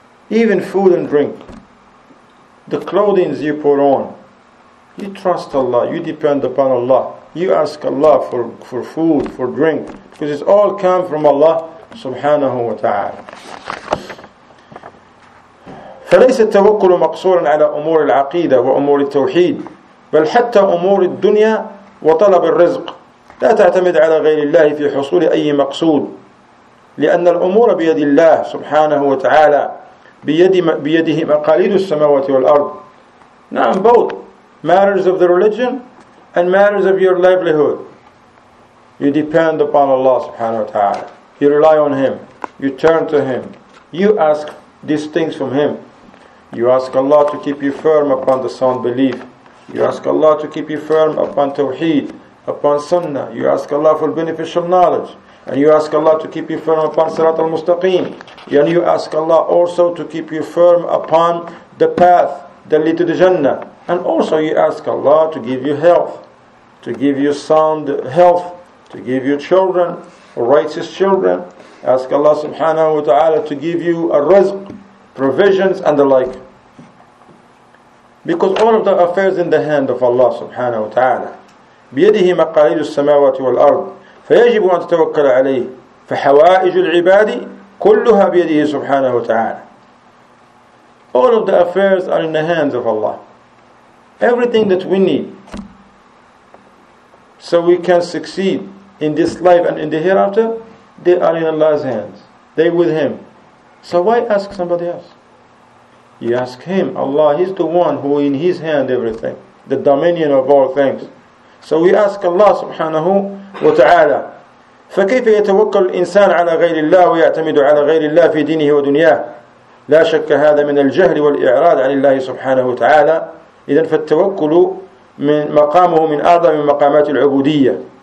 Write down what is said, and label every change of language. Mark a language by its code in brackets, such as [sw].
[en] Even food and drink, the clothing you put on, you trust Allah, you depend upon Allah. You ask Allah for food, for drink, because it's all come from Allah subhanahu wa ta'ala. [ar] فليس التوكل مقصورا على أمور العقيدة وأمور التوحيد بل حتى أمور الدنيا وطلب الرزق لا تعتمد على غير الله في حصول أي مقصود لأن الأمور بيد الله سبحانه وتعالى بيده مقاليد السماوات والأرض. [en] نعم, both matters of the religion and matters of your livelihood, you depend upon Allah subhanahu wa ta'ala, you rely on Him, you turn to Him, you ask these things from Him. You ask Allah to keep you firm upon the sound belief. You ask Allah to keep you firm upon Tawheed, upon Sunnah. You ask Allah for beneficial knowledge. And you ask Allah to keep you firm upon Sirat al-Mustaqim. And you ask Allah also to keep you firm upon the path that lead to the Jannah. And also you ask Allah to give you health, to give you sound health, to give you children, righteous children. Ask Allah subhanahu wa ta'ala to give you a rizq, provisions and the like. Because all of the affairs in the hand of Allah subhanahu wa ta'ala. [ar] بيده مقاليد السماوات والأرض فيجب أن تتوكل عليه فحوائج العباد كلها بيده سبحانه وتعالى. [en] All of the affairs are in the hands of Allah. Everything that we need so we can succeed in this life and in the hereafter, they are in Allah's hands. They with Him. So why ask somebody else? You ask Him, Allah, He's the one who in His hand everything, the dominion of all things. So we ask Allah subhanahu wa ta'ala. [ar] فكيف يتوكل الإنسان على غير الله ويعتمد على غير الله في دينه ودنياه؟ لا شك هذا من الجهل والإعراض عن الله سبحانه وتعالى. إذن فالتوكل من مقامه من أعظم مقامات العبودية.